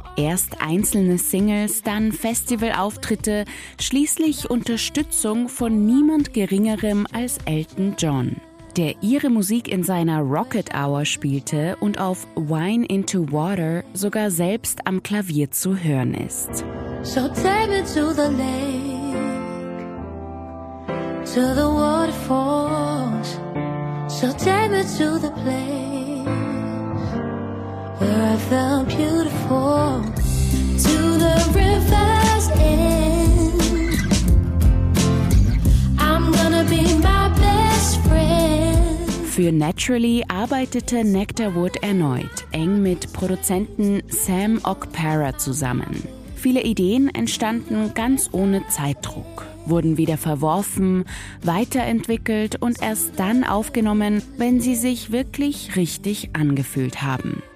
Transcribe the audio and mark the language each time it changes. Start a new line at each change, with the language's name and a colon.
German: Erst einzelne Singles, dann Festivalauftritte, schließlich Unterstützung von niemand Geringerem als Elton John, der ihre Musik in seiner Rocket Hour spielte und auf Wine into Water sogar selbst am Klavier zu hören ist.
English: So take me to the lake. To the waterfalls, so take me to the place where I felt beautiful. To the river's end, I'm gonna be my best friend.
German: Für Naturally arbeitete Nectar Wood erneut eng mit Produzenten Sam Okpara zusammen. Viele Ideen entstanden ganz ohne Zeitdruck, wurden wieder verworfen, weiterentwickelt und erst dann aufgenommen, wenn sie sich wirklich richtig angefühlt haben.